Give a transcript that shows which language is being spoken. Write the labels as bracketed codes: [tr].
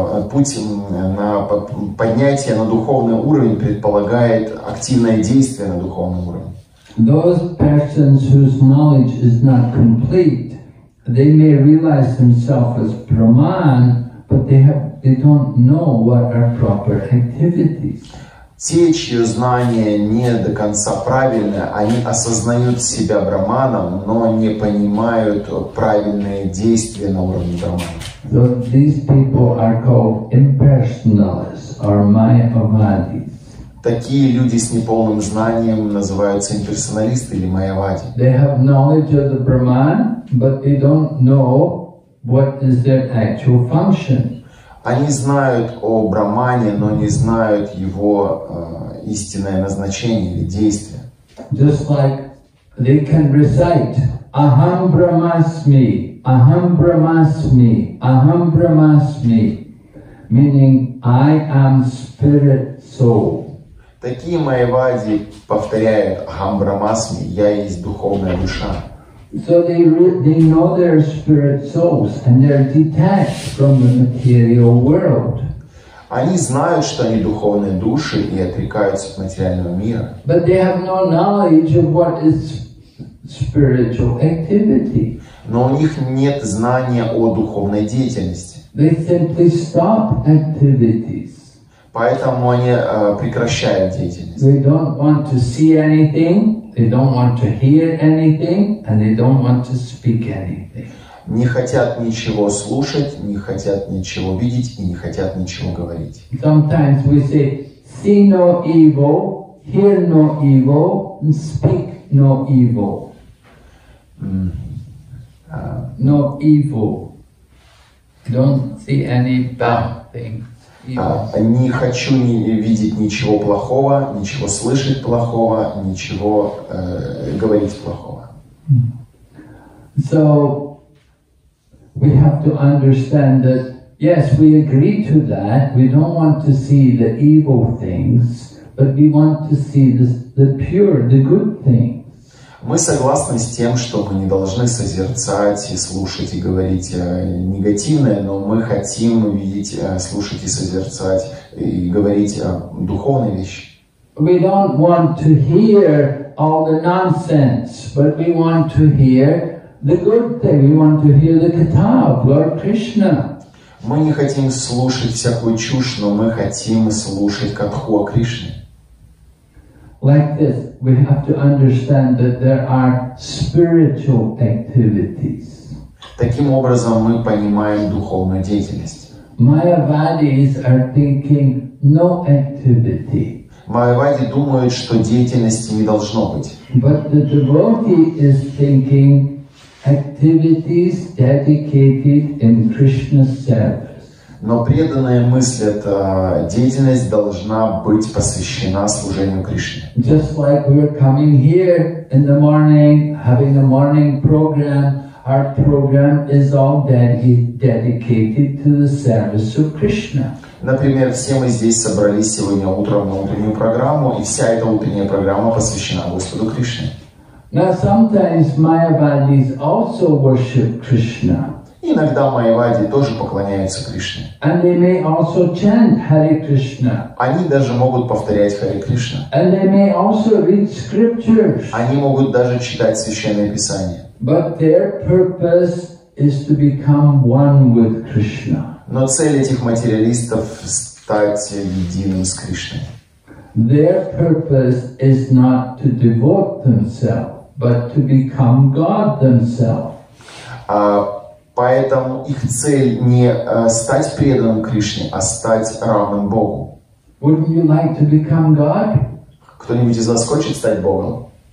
[ru] Путь на поднятие на духовный уровень предполагает активное действие на духовном уровне. [en] Those persons whose knowledge is not complete, they may realize themselves as Brahman, but they don't know what are proper activities. [ru] Те, чьи знания не до конца правильны, они осознают себя Брахманом, но не понимают правильные действия на уровне Брахмана. [en] So these people are called impersonalists or mayavadis. [ru] Такие люди с неполным знанием называются имперсоналисты или майявади. [en] They have knowledge of the Brahman, but they don't know what is their actual function. [ru] Они знают о Брахмане, но не знают его истинное назначение или действие. [en] Just like they can recite Aham Brahmasmi, Aham Brahmasmi, Aham Brahmasmi, meaning I am spirit soul. [ru] Такие майявади повторяют «Ахам Брахмасми, я есть духовная душа». [en] So they know their spirit souls and they're detached from the material world. [ru] Они знают, что они духовные души и отрекаются от материального мира. [en] But they have no knowledge of what is spiritual activity. [ru] Но у них нет знания о духовной деятельности. [en] They simply stop activities. [ru] Поэтому они прекращают деятельность. [en] They don't want to see anything, they don't want to hear anything, and they don't want to speak anything. [ru] не хотят ничего слушать, не хотят ничего видеть и не хотят ничего говорить. [en] Sometimes we say, see no evil, hear no evil, speak no evil. No evil. Don't see any bad thing. [ru] Не хочу видеть ничего плохого, ничего слышать плохого, ничего говорить плохого. [en] So we have to understand that yes, we agree to that. We don't want to see the evil things, but we want to see the pure, the good things. [ru] Мы согласны с тем, что мы не должны созерцать и слушать и говорить негативное, но мы хотим видеть, слушать и созерцать и говорить о духовной вещи. [en] We don't want to hear all the nonsense, but we want to hear the good thing. We want to hear the katha of Lord Krishna. [ru] Мы не хотим слушать всякую чушь, но мы хотим слушать катху о Кришне. [en] Like this, we have to understand that there are spiritual activities. [ru] Таким образом, мы понимаем духовную деятельность. [en] Майявадис are thinking no activity. [ru] Майявади думают, что деятельности не должно быть. [en] But the devotee is thinking activities dedicated in Krishna's service. [ru] Но преданная мысль, эта деятельность должна быть посвящена служению Кришне. [en] Just like we're coming here in the morning, having a morning program, our program is all dedicated to the service of Krishna. [ru] Например, все мы здесь собрались сегодня утром на утреннюю программу, и вся эта утренняя программа посвящена Господу Кришне. [en] Now sometimes Mayavadis also worship Krishna. [ru] Иногда майявади тоже поклоняются Кришне. [en] And they may also chant Hare Krishna. [ru] Они даже могут повторять Харе Кришна. [en] And they may also read scriptures. [ru] Они могут даже читать священные писания. [en] But their purpose is to become one with Krishna. [ru] Но цель этих материалистов — стать единым с Кришной. [en] Their purpose is not to devote themselves, but to become God themselves. [ru] Поэтому их цель не стать преданным Кришне, а стать равным Богу. [en] Wouldn't you like to become God? [ru] Кто-нибудь из вас хочет стать Богом?